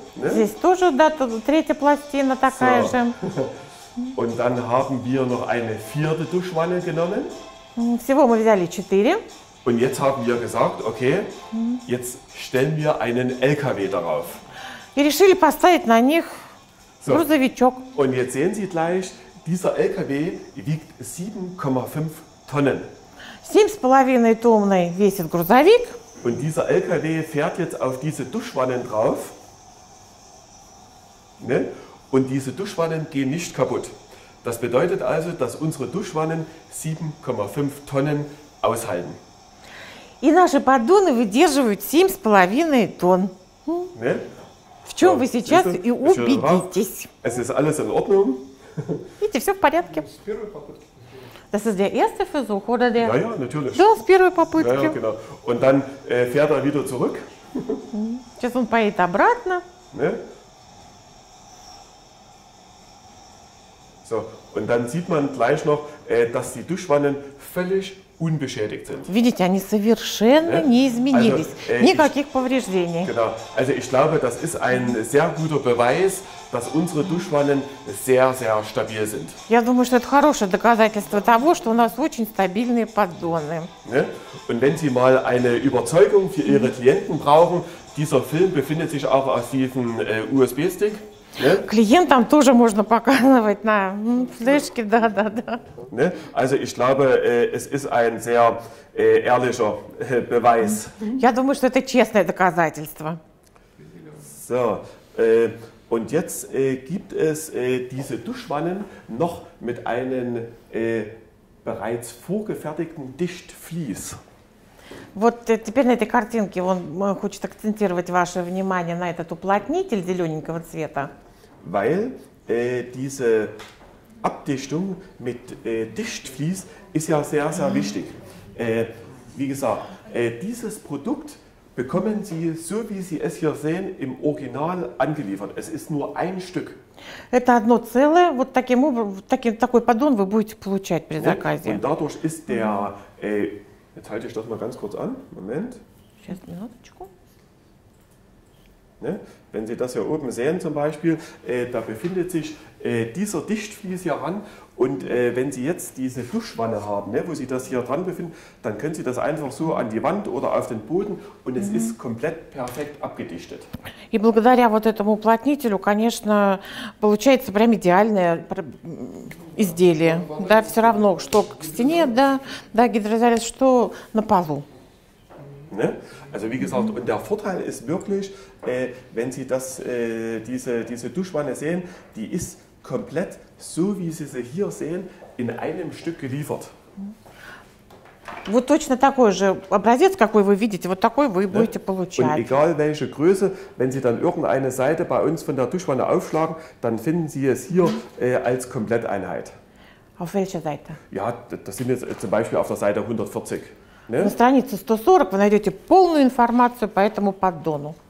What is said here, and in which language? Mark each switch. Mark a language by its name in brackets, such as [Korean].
[German] Ne? [Russian] Здесь тоже, да, третья пластина такая же. [German] Und dann haben wir noch eine 4. Duschwanne genommen. [Russian] Всего мы взяли 4. [German] Und jetzt haben wir gesagt, okay, jetzt stellen wir einen LKW darauf. [Russian] И решили поставить на них грузовичок. [German] Und jetzt sehen Sie gleich, dieser LKW wiegt 7,5 Tonnen. 7,5 Tonnen [Russian] весит грузовик. [German] Und dieser LKW fährt jetzt auf diese Duschwannen drauf. Ne? Und diese Duschwannen gehen nicht kaputt. Das bedeutet also, dass unsere Duschwannen 7,5 Tonnen aushalten. [Russian] И наши поддоны выдерживают 7,5 тонн. [German] Ne? [Russian] В чем вы сейчас и убедитесь. [German] Es ist alles in Ordnung. [Russian] Видите, все в порядке. С первой попытки. [German] Das ist der erste Versuch, oder der? Ja, natürlich. [Russian] Да, с первой попытки. [German] Ja, genau. Und dann fährt wieder zurück. [Russian] Сейчас он поедет обратно. [German] Ne? So, und dann sieht man gleich noch, dass die Duschwannen völlig unbeschädigt sind. [Russian] Видите, они совершенно не изменились. [German] Also, [Russian] никаких повреждений. [German] Genau. Also ich glaube, das ist ein sehr guter Beweis, dass unsere Duschwannen sehr, sehr stabil sind. [Russian] Я думаю, что это хорошее доказательство того, что у нас очень стабильные поддоны. [German] Ne? Und wenn Sie mal eine Überzeugung für Ihre Klienten brauchen, dieser Film befindet sich auch auf diesem USB-Stick. Ne? [Russian] Клиентам тоже можно показывать на флешке, да, да, да. [German] Ne? Also ich glaube, es ist ein sehr ehrlicher Beweis. [Russian] Я думаю, что это честное доказательство. [German] So, und jetzt gibt es diese Duschwannen noch mit einem bereits vorgefertigten Dichtvlies. [Russian] Вот теперь на этой картинке он хочет акцентировать ваше внимание на этот уплотнитель зелененького цвета. [German] Weil diese Abdichtung mit Dichtvlies ist ja sehr, sehr wichtig. Wie gesagt, dieses Produkt bekommen Sie, so wie Sie es hier sehen, im Original angeliefert. Es ist nur ein Stück. [Russian] Это одно целое, вот таким образом, такой поддон вы будете получать при заказе. [German] Und dadurch ist der, jetzt halte ich das mal ganz kurz an, Moment. [Russian] Сейчас, минуточку. [German] Ne? Wenn Sie das hier oben sehen zum Beispiel, da befindet sich dieser Dichtvlies hier ran. Und wenn Sie jetzt diese Duschwanne haben, ne, wo Sie das hier dran befinden, dann können Sie das einfach so an die Wand oder auf den Boden und es ist komplett perfekt abgedichtet. [Russian] И благодаря вот этому уплотнителю, конечно, получается прям идеальное изделие. Да, все равно, что к стене, да, да, гидроизоляция, что на полу. [German] Ne? Also wie gesagt, und der Vorteil ist wirklich, wenn Sie das, diese Duschwanne sehen, die ist komplett so, wie Sie sie hier sehen, in einem Stück geliefert. [Russian] Вот точно такой же образец, какой вы видите, вот такой вы будете получать. [German] Und egal welche Größe, wenn Sie dann irgendeine Seite bei uns von der Duschwanne aufschlagen, dann finden Sie es hier als Kompletteinheit. Auf welcher Seite? Ja, das sind jetzt zum Beispiel auf der Seite 140. Ne? [Russian] На странице 140 вы найдете полную информацию по этому поддону.